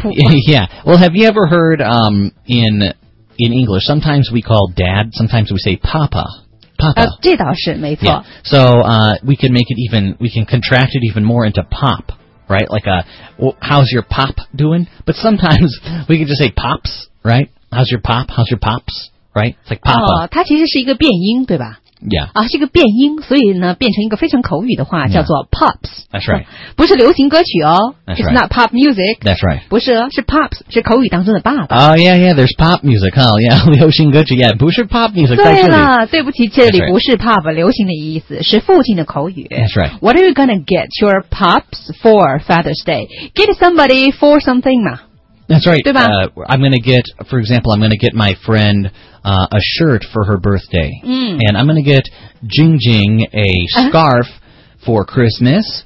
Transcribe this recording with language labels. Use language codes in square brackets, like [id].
[en] Yeah, well, have you ever heard, in English, sometimes we call dad, sometimes we say papa. Papa. [zh] 这倒是没错。 [en] Yeah. So, we can make it even, we can contract it even more into pop. Right, like a, how's your pop doing? But sometimes we can just say pops, right? How's your pop? How's your pops? Right? It's like papa. [zh] 它其实是一个变音，对吧？ [en] Yeah. [zh] 是一个变音，所以呢，变成一个非常口语的话，叫做 pops. [en] That's right. [zh] 不是流行歌曲哦。 [en] That's right. It's not pop music. That's right. [zh] 不是，是 pops, 是口语当中的爸爸。 [en] Oh, yeah, yeah, there's pop music, huh? Yeah, [zh] 流行歌曲 [en] yeah, [zh] 不是 [en] pop music, [zh] 在这里。对了，对不起，这里不是 pop, 流行的意思，是父亲的口语。 [en] That's right. What are you gonna get your pops for Father's Day? Get somebody for something, 嘛。 That's right. [zh] 对吧？ [en] I'm gonna get, for example, I'm gonna get my friend,a shirt for her birthday. And I'm gonna get Jing Jing a scarf for Christmas.